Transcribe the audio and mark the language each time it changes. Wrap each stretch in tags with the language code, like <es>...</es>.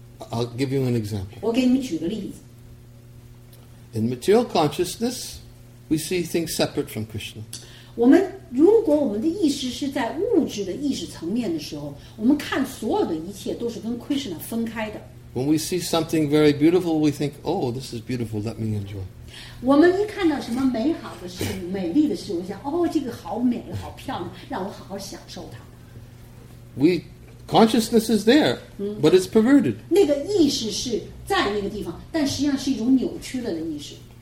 <en>I'll give you an example。</en> <zh>我给你们举个例子。</zh> <en>In material consciousness。 We see things separate from Krishna.</en> <zh>如果我们的意识是在物质的意识层面的时候，我们看所有的一切都是跟Krishna分开的。</zh> <en>When we see something very beautiful, we think, oh, this is beautiful, let me enjoy.</en> <zh>我们一看到什么美好的事物，美丽的事物，我想，哦，这个好美，好漂亮，让我好好享受它。</zh> <en>We consciousness is there, but it's perverted.</en> <zh>那个意识是在那个地方，但实际上是一种扭曲了的意识。</zh>